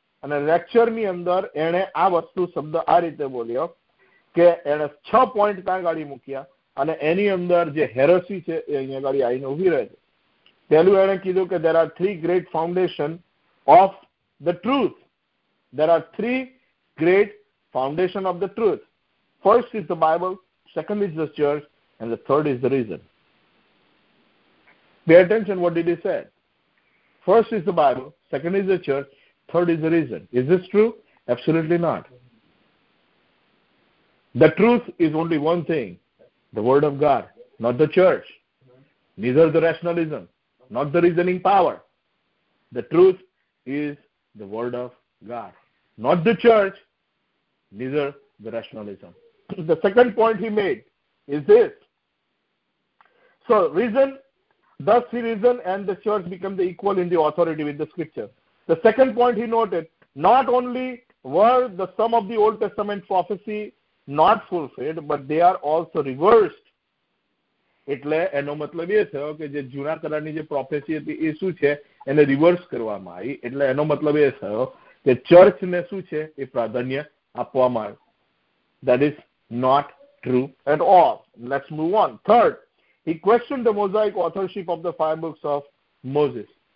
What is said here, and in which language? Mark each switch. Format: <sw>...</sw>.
<gu>અને લેક્ચરની અંદર એણે આ વસ્તુ શબ્દ આ રીતે બોલ્યો કે એણે 6 પોઈન્ટ ત્યાં ગાડી મૂક્યા, અને એની અંદર જે હેરસી છે એ અહીંયા ગાડી આવીને ઉભી રહે છે. પહેલું એણે કીધું કે</gu> <en>There are 3 great foundation of the truth. There are three great foundation of the truth. First is the Bible, second is the church, and the third is the reason. Pay attention, what did he say? First is the Bible, second is the church, third is the reason. Is this true? Absolutely not. The truth is only one thing, the word of God, not the church, neither the rationalism, not the reasoning power. The truth is the word of God. Not the church, neither the rationalism. The second point he made is this. So reason, thus the reason and the church become the equal in the authority with the scripture. The second point he noted, not only were the sum of the Old Testament prophecy not fulfilled, but they are also reversed.</en> <gu>એટલે એનો મતલબ એ થયો કે જે જૂના કરારની જે પ્રોફેસી હતી એ શું છે, એને રિવર્સ કરવામાં આવી. એટલે એનો મતલબ એ થયો કે ચર્ચ ને શું છે એ પ્રાધાન્ય આપવામાં આવ્યું.</gu> <en>That is not true at all. Let's move on. Third, he questioned the Mosaic authorship of the five books of Moses.</en>